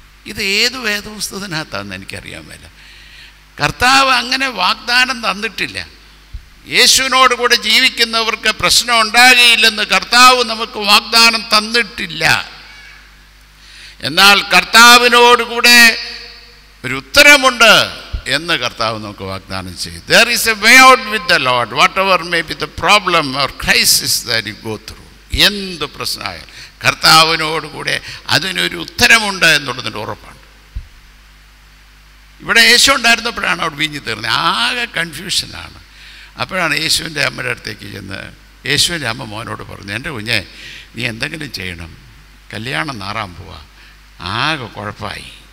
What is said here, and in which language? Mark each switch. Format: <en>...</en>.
<ml>ഇത് ഏത് വേദപുസ്തകത്തിനകത്താണെന്ന് എനിക്കറിയാൻ മേല. കർത്താവ് അങ്ങനെ വാഗ്ദാനം തന്നിട്ടില്ല. യേശുവിനോട് കൂടെ ജീവിക്കുന്നവർക്ക് പ്രശ്നം ഉണ്ടാകുകയില്ലെന്ന് കർത്താവ് നമുക്ക് വാഗ്ദാനം തന്നിട്ടില്ല. എന്നാൽ കർത്താവിനോട് കൂടെ ഒരു ഉത്തരമുണ്ട് എന്ന് കർത്താവ് നമുക്ക് വാഗ്ദാനം ചെയ്യും.</ml> <en>There is a way out with the Lord, whatever may be the problem or crisis that you go through.</en> <ml>എന്ത് പ്രശ്നമായാലും കർത്താവിനോടുകൂടെ അതിനൊരു ഉത്തരമുണ്ട് എന്നുള്ളതിൻ്റെ ഉറപ്പാണ്. ഇവിടെ യേശു ഉണ്ടായിരുന്നപ്പോഴാണ് അവിടെ വീഞ്ഞു തീർന്നത്, ആകെ കൺഫ്യൂഷനാണ്. അപ്പോഴാണ് യേശുവിൻ്റെ അമ്മയുടെ അടുത്തേക്ക് ചെന്ന് യേശുവിൻ്റെ അമ്മ മോനോട് പറഞ്ഞു, എൻ്റെ കുഞ്ഞെ നീ എന്തെങ്കിലും ചെയ്യണം, കല്യാണം നാറാൻ പോവാ, ആകെ കുഴപ്പമായി.</ml>